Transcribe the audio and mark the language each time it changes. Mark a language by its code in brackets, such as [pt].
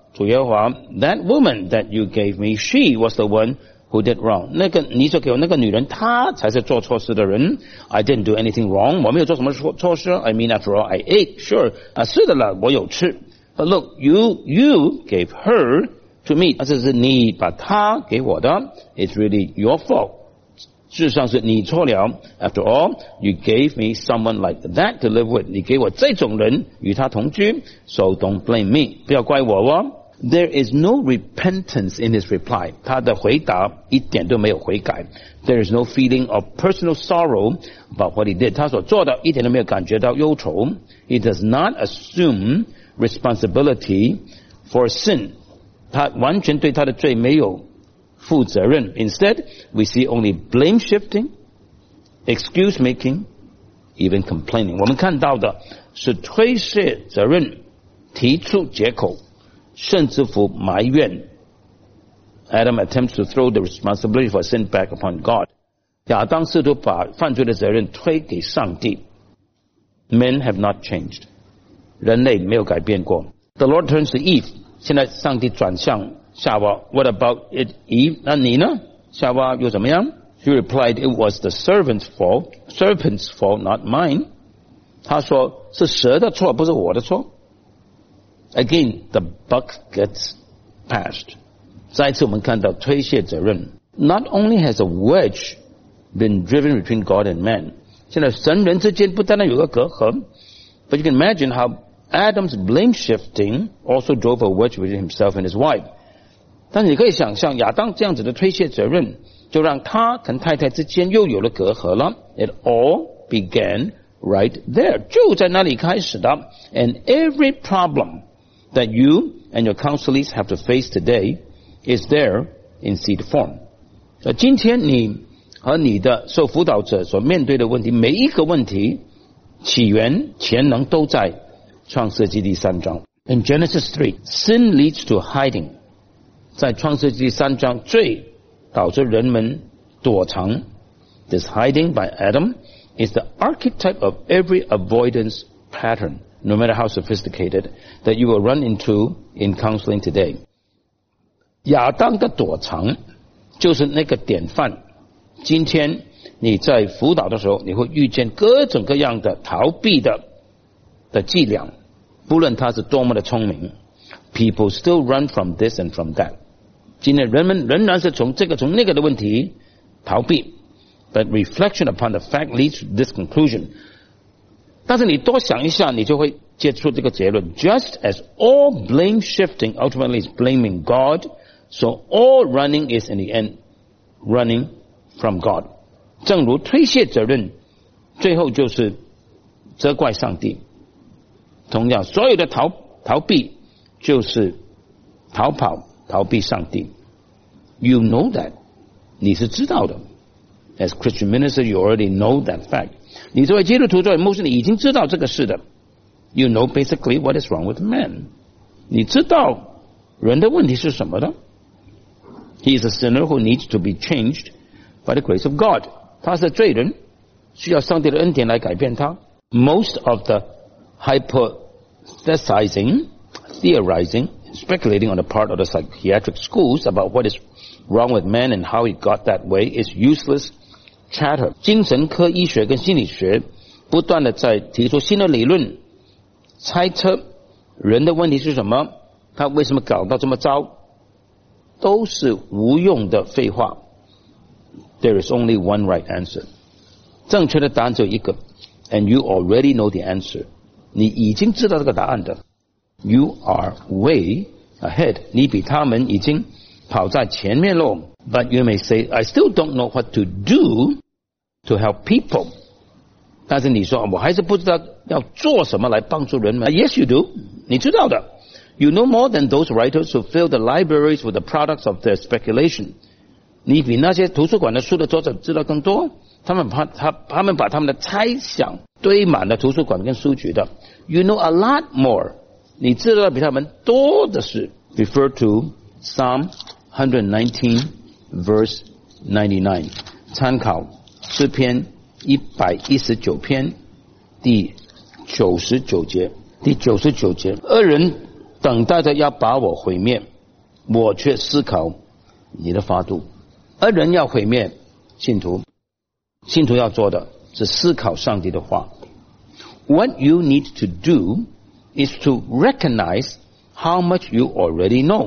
[en] 主耶华， that woman that you gave me, she was the one who did wrong. [zh] 那个你所给我那个女人，她才是做错事的人。 [en] I didn't do anything wrong. [zh] 我没有做什么错事。 [en] I mean, after all, I ate. Sure, [zh] 啊，是的了，我有吃。 [en] But look, you gave her to me. [zh] 这是你把她给我的。 [en] It's really your fault. [zh] 事实上是你错了。 [en] After all, you gave me someone like that to live with. [zh] 你给我这种人与她同居。 [en] So don't blame me. [zh] 不要怪我哦。 [en] There is no repentance in his reply. [zh] 他的回答一点都没有悔改。 [en] There is no feeling of personal sorrow about what he did. [zh] 他所做的一点都没有感觉到忧愁。 [en] He does not assume responsibility for sin. [zh] 他完全对他的罪没有负责任。 [en] Instead, we see only blame shifting, excuse making, even complaining. [zh] 我们看到的是推卸责任，提出借口，甚至乎埋怨。 [en] Adam attempts to throw the responsibility for sin back upon God. [zh] 亚当试图把犯罪的责任推给上帝。 [en] Men have not changed. [zh] 人类没有改变过。 [en] The Lord turns to Eve. [zh] 现在上帝转向夏娃。 [en] What about it, Eve? [zh] 那你呢？夏娃又怎么样？ [en] She replied, it was the serpent's fault, not mine. [zh] 她说是蛇的错，不是我的错。 [en] Again, the buck gets passed. [zh] 再次我们看到推卸责任。 [en] Not only has a wedge been driven between God and man, [zh] 现在神人之间不单单有个隔阂， [en] but you can imagine how Adam's blame shifting also drove a wedge between himself and his wife. [zh] 但你可以想象亚当这样子的推卸责任就让他跟太太之间又有了隔阂了。 [en] It all began right there. [zh] 就在那里开始的。 [en] And every problemThat you and your counselees have to face today is there in seed form. [zh] 今天你和你的受辅导者所面对的问题，每一个问题起源潜能都在创世纪第三章。 [en] In Genesis 3, sin leads to hiding. [zh] 在创世纪第三章，罪导致人们躲藏。 [en] This hiding by Adam is the archetype of every avoidance pattern. No matter how sophisticated, that you will run into in counseling today. [zh] 亚当的躲藏就是那个典范。今天你在辅导的时候，你会遇见各种各样的逃避的伎俩，不论他是多么的聪明。 [en] People still run from this and from that. [zh] 今天人们仍然是从这个从那个的问题逃避。 [en] But reflection upon the fact leads to this conclusion. [zh] 但是你多想一下，你就会接触这个结论。 [en] Just as all blame shifting ultimately is blaming God, so all running is in the end running from God. [zh] 正如推卸责任，最后就是责怪上帝。同样，所有的逃避就是逃跑，逃避上帝。 [en] You know that. [zh] 你是知道的。 [en] As Christian minister, you already know that fact. [zh] 你作为基督徒，作为牧师，你已经知道这个事的。 [en] You know basically what is wrong with man. [zh] 你知道人的问题是什么的。 [en] He is a sinner who needs to be changed by the grace of God. [zh] 他是罪人，需要上帝的恩典来改变他。 [en] Most of the hypothesizing, theorizing, speculating on the part of the psychiatric schools about what is wrong with man and how he got that way is useless. Chatter. [zh] 精神科医学跟心理学不断地在提出新的理论，猜测人的问题是什么，他为什么搞到这么糟，都是无用的废话。 [en] There is only one right answer， [zh] 正确的答案只有一个。 [en] And you already know the answer， [zh] 你已经知道这个答案的。 [en] You are way ahead， [zh] 你比他们已经跑在前面了。 [en] But you may say I still don't know what to do to help people， [zh] 但是你说我还是不知道要做什么来帮助人们。 [en] Yes you do， [zh] 你知道的。 [en] You know more than those writers who fill the libraries with the products of their speculation. [zh] 你比那些图书馆的书的作者知道更多。他们把他们的猜想堆满了图书馆跟书局的。 [en] You know a lot more. [zh] 你知道比他们多的是。 [en] Refer to Psalm 119 verse 99. [zh] 参考诗篇119篇第99节。第99节。恶人等待着要把我毁灭，我却思考你的法度。而人要毁灭信徒要做的是思考上帝的话。 [en] What you need to do is to recognize how much you already know，